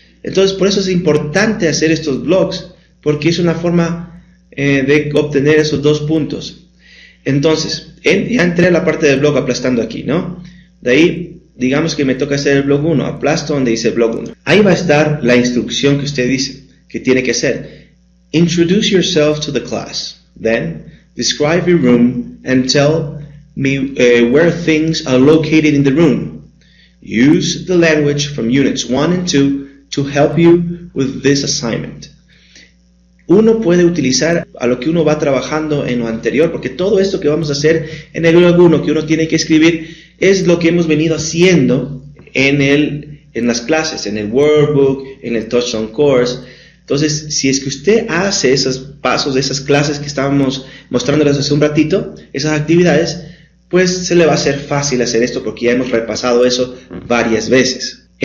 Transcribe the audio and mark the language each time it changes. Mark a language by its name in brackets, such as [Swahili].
[Spanish] Entonces, por eso es importante hacer estos blogs, porque es una forma de obtener esos 2 puntos. Entonces, ya entré a la parte del blog aplastando aquí, ¿no? De ahí, digamos que me toca hacer el blog 1, aplasto donde dice blog 1. Ahí va a estar la instrucción que usted dice que tiene que hacer. [English] Introduce yourself to the class. Then, describe your room and tell me where things are located in the room. Use the language from units 1 and 2 to help you with this assignment. [Spanish] Uno puede utilizar a lo que uno va trabajando en lo anterior, porque todo esto que vamos a hacer en el blog 1 que uno tiene que escribir es lo que hemos venido haciendo en las clases, en el workbook, en el Touchstone Course. Entonces, si es que usted hace esos pasos de esas clases que estábamos mostrándoles hace un ratito, esas actividades, pues se le va a hacer fácil hacer esto porque ya hemos repasado eso varias veces.